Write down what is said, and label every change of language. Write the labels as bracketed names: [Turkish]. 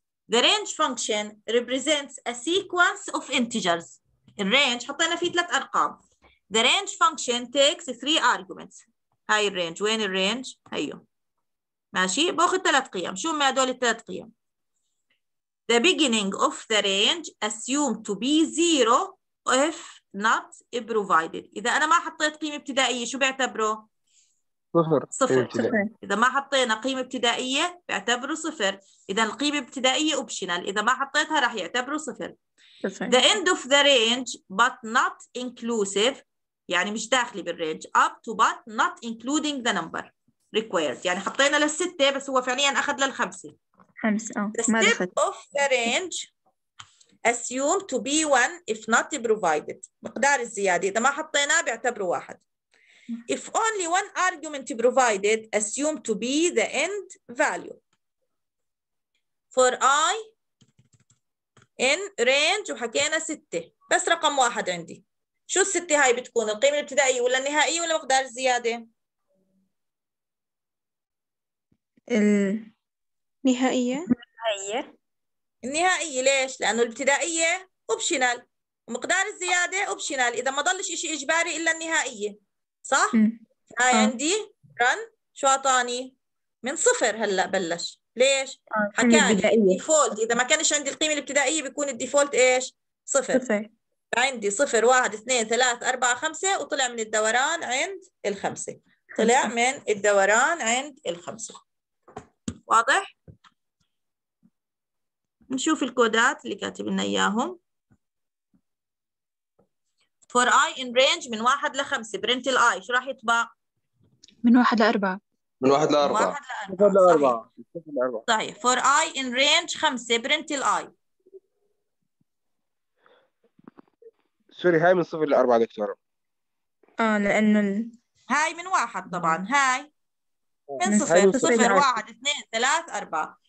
[English] The range function represents a sequence of integers. [Arabic] الرينج حطينا فيه ثلاث أرقام. [English] The range function takes three arguments. [Arabic] هاي الرينج، وين الرينج؟ هيو. ماشي؟ باخذ ثلاث قيم، شو هم هدول الثلاث قيم؟ [English] The beginning of the range assumed to be zero if not provided. [Arabic] إذا أنا ما حطيت قيمة ابتدائية شو بيعتبره؟ صفر. صفر. إذا ما حطينا قيمة ابتدائية بيعتبره صفر. إذا القيمة ابتدائية optional، إذا ما حطيتها راح يعتبره صفر. [English] The end of the range but not inclusive، [Arabic] يعني مش داخلي بالرينج، [English] up to but not including the number required، [Arabic] يعني حطينا للستة بس هو فعليا أخذ للخمسة. خمسة. [English] The step of the range assumed to be one if not provided، [Arabic] مقدار الزيادة إذا ما حطيناه بيعتبره واحد. [English] If only one argument provided, assume to be the end value. For I in range, [Arabic] وحكينا ستة. بس رقم واحد عندي. شو الستة هاي بتكون؟ القيمة الابتدائية ولا النهائية ولا مقدار الزيادة؟ النهائية. النهائية. ليش؟ لأنه الابتدائية optional. مقدار الزيادة optional. إذا ما ضلش إشي إجباري إلا النهائية. صح؟ هاي عندي run شو أعطاني؟ من صفر هلأ بلش. ليش؟ حكاني default، إذا ما كانش عندي القيمة الابتدائية بيكون الديفولت إيش؟ صفر. صفر. عندي صفر واحد اثنين ثلاث أربعة خمسة وطلع من الدوران عند الخمسة. طلع من الدوران عند الخمسة. واضح؟ نشوف الكودات اللي كاتب لنا إياهم. [English] For I in range [Arabic] من واحد لخمسة برنت ال I شو راح يطبع؟ من واحد لأربعة. من واحد لأربعة. صحيح. [English] For I in range خمسة print ال I. [Arabic] سوري هاي من صفر لأربعة دكتورة. لأنه هاي من واحد طبعا هاي من صفر. صفر واحد اثنين ثلاث أربعة.